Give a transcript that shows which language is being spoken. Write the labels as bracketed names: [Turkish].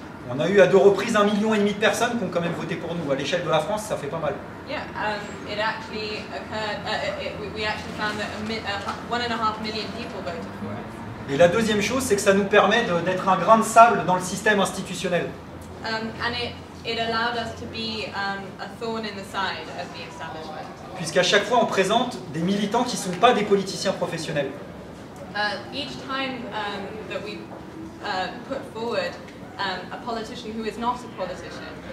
[French] On a eu à deux reprises 1,5 million de personnes qui ont quand même voté pour nous. À l'échelle de la France, ça fait pas mal. [English] Yeah, it actually occurred. We actually found that 1.5 million people voted for us. [French] Et la deuxième chose, c'est que ça nous permet de, d'être un grain de sable dans le système institutionnel. [English] And it allowed us to be a thorn in the side of the establishment. [French] Puisqu'à chaque fois, on présente des militants qui ne sont pas des politiciens professionnels. [English] Each time that we put forward a politician who is not a politician.